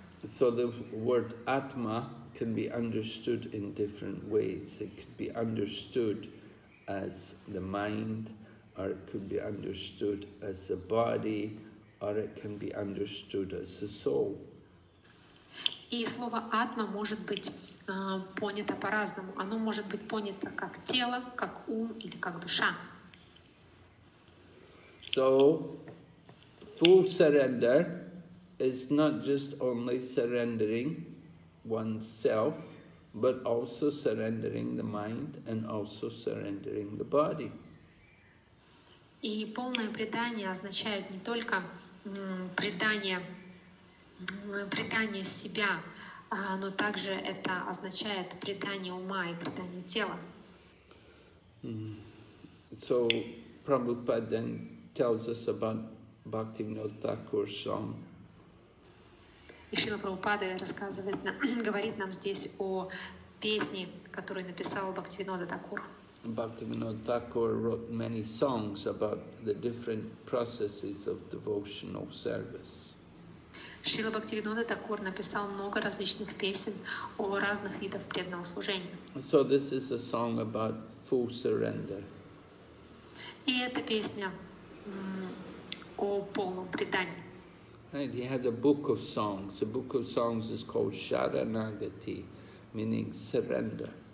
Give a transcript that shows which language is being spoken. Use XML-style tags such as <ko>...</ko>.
<en>So the word Atma can be understood in different ways. It could be understood as the mind, or it could be understood as the body, or it can be understood as the soul.</en> <ru>И слово «атма» может быть понято по-разному. Оно может быть понято как тело, как ум или как душа.</ru> <en>So, full surrender is not just only surrendering oneself, but also surrendering the mind and also surrendering the body.</en> <ru>И полное предание означает не только предание себя, но также это означает предание ума и предание тела.</ru> <en>So Prabhupada then tells us about Bhaktivinoda Thakur's song.</en> <ru>И Шрила Прабхупада рассказывает, говорит нам здесь о песне, которую написал Бхактивинода Такур.</ru> <en>Бхактивинода Такур wrote many songs about the different processes of devotional service.</en> <ru>Шрила Бхактивинода Такур написал много различных песен о разных видах преданного служения.</ru> <en>So this is a song about full surrender.</en> <ru>И эта песня о полном предании.</ru> <en>And he had a book of songs. The book of songs is called Sharanagati, meaning surrender.</en>